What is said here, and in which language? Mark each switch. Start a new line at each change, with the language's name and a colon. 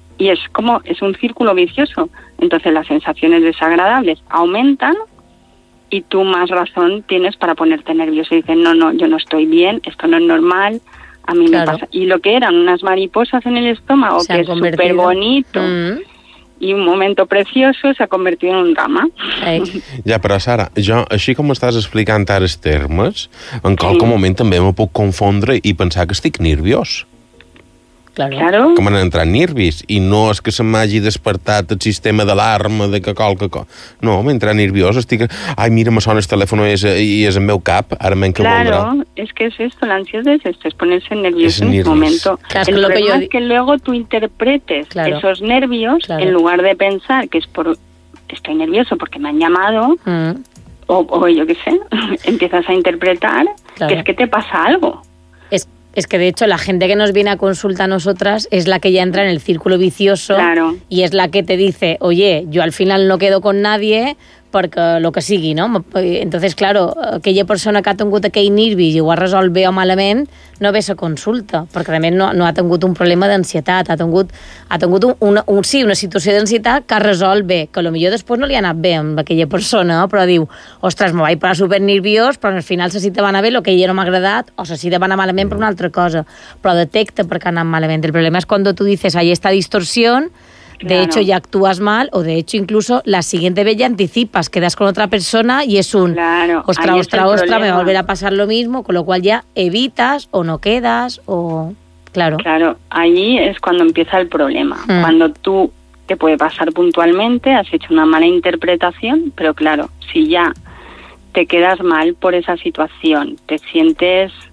Spanish: Y es como, es un círculo vicioso. Entonces las sensaciones desagradables aumentan y tú más razón tienes para ponerte nervioso y dices, no, yo no estoy bien, esto no es normal, a mí me pasa. Y lo que eran unas mariposas en el estómago, que es súper bonito, y un momento precioso, se ha convertido en un drama.
Catalan: Ja, però Sara, jo, així com estàs explicant ara els termes, en qualque moment també me puc confondre i pensar que estic nerviós. Claro. Que m'han entrat nervis i no és que se m'hagi despertat el sistema d'alarma de que qualque cosa. No, m'he entrat nerviós, estic, ai, mira, me sona el telèfon i és el meu cap, ara m'en que voldrà.
Spanish: Claro, es que es esto, la ansiedad es esto, es ponerse nervioso en un momento. Claro, el lo problema que es que luego tú interpretes esos nervios en lugar de pensar que es por estoy nervioso porque me han llamado o yo qué sé, empiezas a interpretar que es que te pasa algo. Es que, de hecho, la gente que nos viene a consulta a nosotras es la que ya entra en el círculo vicioso y es la que te dice, oye, yo al final no quedo con nadie
Catalan: perquè lo que sigui,
Spanish: no? Entonces, claro,
Catalan: aquella persona que ha tingut aquell nervi i ho ha resolt bé o malament, no ve a consulta, perquè també no ha tingut un problema d'ansietat, ha tingut una situació d'ansietat que ha resolt bé, que potser després no li ha anat bé amb aquella persona, no? Però diu, ostres, me vaig posar supernerviós, però al final se cita va anar bé, el que ja no m'ha agradat, o se cita va anar malament per una altra cosa, però detecta perquè ha anat malament. El problema és quan tu
Spanish: dices, ahí está distorsión, de hecho, ya actúas mal, o de hecho, incluso la siguiente vez ya anticipas, quedas con otra persona y es un ostra, me va a volver a pasar lo mismo, con lo cual ya evitas o no quedas, o... Claro, allí es cuando empieza el problema. Mm. Cuando tú, te puede pasar puntualmente, has hecho una mala interpretación, pero claro, si ya te quedas mal por esa situación, te sientes...